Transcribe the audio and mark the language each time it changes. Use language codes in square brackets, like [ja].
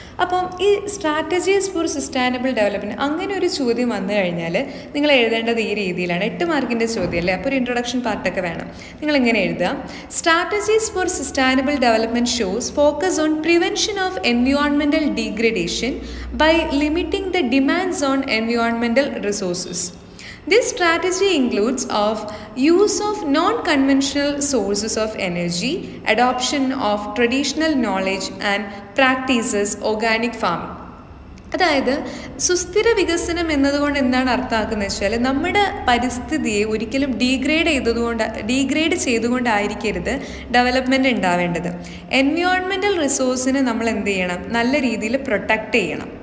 [ml] അപ്പം ഈ [en] strategies for sustainable development [ml] അങ്ങനെ ഒരു ചോദ്യം വന്നു കഴിഞ്ഞാൽ നിങ്ങൾ എഴുതേണ്ടത് ഈ രീതിയിലാണ്. 8 മാർക്കിൻ്റെ ചോദ്യമല്ലേ, അപ്പോൾ ഒരു ഇൻട്രൊഡക്ഷൻ പാർട്ടൊക്കെ വേണം. നിങ്ങൾ ഇങ്ങനെ എഴുതുക, [en] Strategies four sustainable development shows focus on prevention of എൻവിയോൺമെൻ്റൽ degradation by limiting the demands on എൻവിയോൺമെൻ്റൽ resources. This strategy includes of use of non-conventional sources of energy, adoption of traditional knowledge and practices organic farming. [ml] അതായത് സുസ്ഥിര വികസനം എന്നതുകൊണ്ട് എന്താണ് അർത്ഥമാക്കുന്നത് വെച്ചാൽ, നമ്മുടെ പരിസ്ഥിതിയെ ഒരിക്കലും ഡീഗ്രേഡ് ചെയ്തുകൊണ്ടായിരിക്കരുത് ഡെവലപ്മെൻറ്റ് ഉണ്ടാവേണ്ടത്. എൻവിയോൺമെൻറ്റൽ റിസോഴ്സിനെ നമ്മൾ എന്ത് ചെയ്യണം, നല്ല രീതിയിൽ പ്രൊട്ടക്റ്റ് ചെയ്യണം.